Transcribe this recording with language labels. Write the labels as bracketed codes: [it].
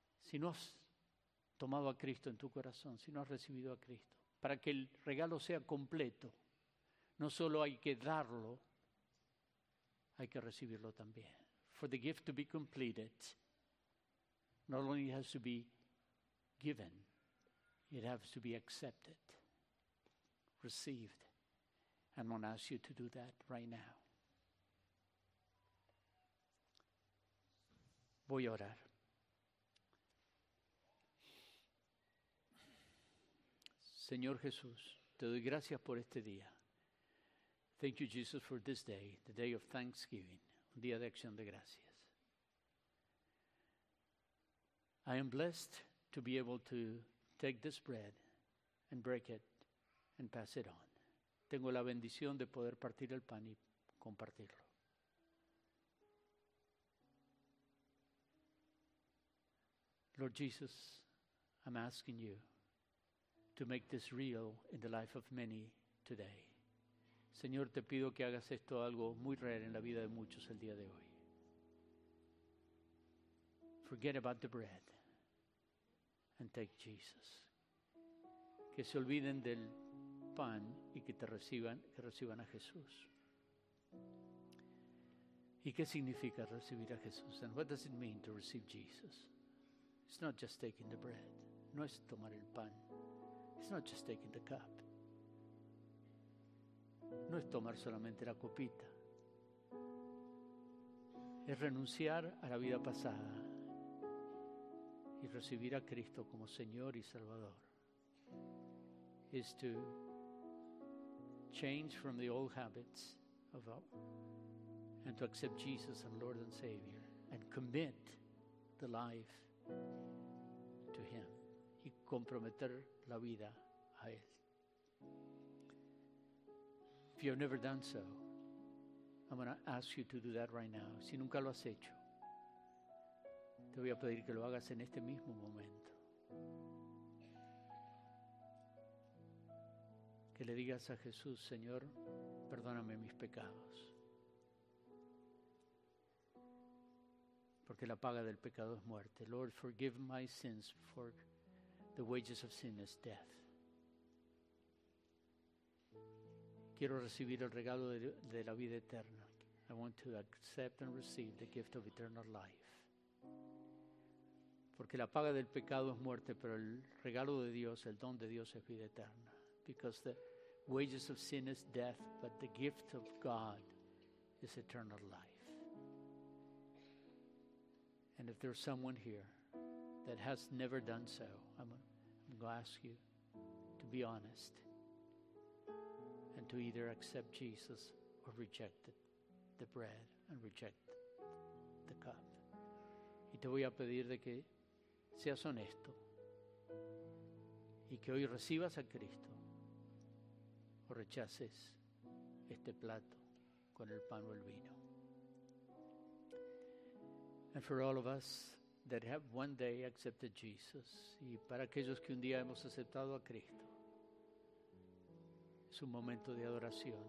[es] Si no has tomado a Cristo en tu corazón, si no has recibido a Cristo, para que el regalo sea completo, no solo hay que darlo, hay que recibirlo también. [en] For the gift to be completed, not only has to be given, it has to be accepted, received. And I want to ask you to do that right now. [es] Voy a orar. Señor Jesús, te doy gracias por este día. [en] Thank you, Jesus, for this day, the day of Thanksgiving, [es] un día de acción de gracias. [en] I am blessed to be able to take this bread and break it and pass it on. [es] Tengo la bendición de poder partir el pan y compartirlo. [en] Lord Jesus, I'm asking you to make this real in the life of many today. [es] Señor, te pido que hagas esto algo muy real en la vida de muchos el día de hoy. [en] Forget about the bread and take Jesus. [es] Que se olviden del pan y que reciban a Jesús. ¿Y qué significa recibir a Jesús? [en] And what does it mean to receive Jesus? It's not just taking the bread. [es] No es tomar el pan. [en] It's not just taking the cup. [es] No es tomar solamente la copita. Es renunciar a la vida pasada y recibir a Cristo como Señor y Salvador. [en] Is to change from the old habits of all and to accept Jesus as Lord and Savior and commit the life to Him [es] y comprometer la vida a Él. [en] If you've never done so, I'm going to ask you to do that right now. [es] Si nunca lo has hecho, te voy a pedir que lo hagas en este mismo momento. que le digas a Jesús: Señor, perdóname mis pecados. Porque la paga del pecado es muerte. [en] Lord, forgive my sins, for the wages of sin is death. [es] Quiero recibir el regalo de la vida eterna. [en] I want to accept and receive the gift of eternal life. [es] Porque la paga del pecado es muerte, pero el regalo de Dios, el don de Dios, es vida eterna. [en] Because the wages of sin is death, but the gift of God is eternal life. And if there's someone here that has never done so, I'm going to ask you to be honest and to either accept Jesus or reject the bread and reject the cup. [es] Y te voy a pedir de que seas honesto y que hoy recibas a Cristo o rechaces este plato con el pan o el vino. [en] And for all of us that have one day accepted Jesus, [es] y para aquellos que un día hemos aceptado a Cristo, es un momento de adoración.